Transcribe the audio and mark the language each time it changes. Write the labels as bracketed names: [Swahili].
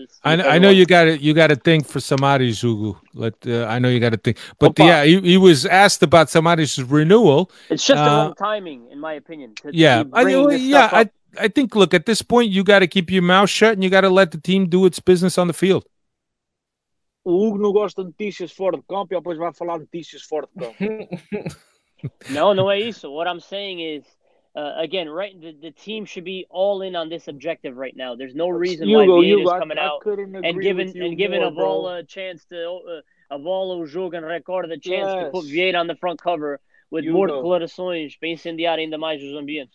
[English] I know you got to think for Samaris, Ugo. But yeah, he was asked about Samaris' renewal. It's just the wrong timing, in my opinion. I think. Look, at this point, you got to keep your mouth shut and you got to let the team do its business on the field. [Portuguese] O Ugo não gosta de notícias fora de campo, e depois vai falar notícias fora de campo. No, é isso. [English] What I'm saying is. Again, right, the team should be all in on this objective right now. There's no reason why Vieira is coming out and giving Avola a chance to Avola, Jogo and Record a chance to put Vieira on the front cover with more [Portuguese] declarações para incendiar ainda mais os ambientes.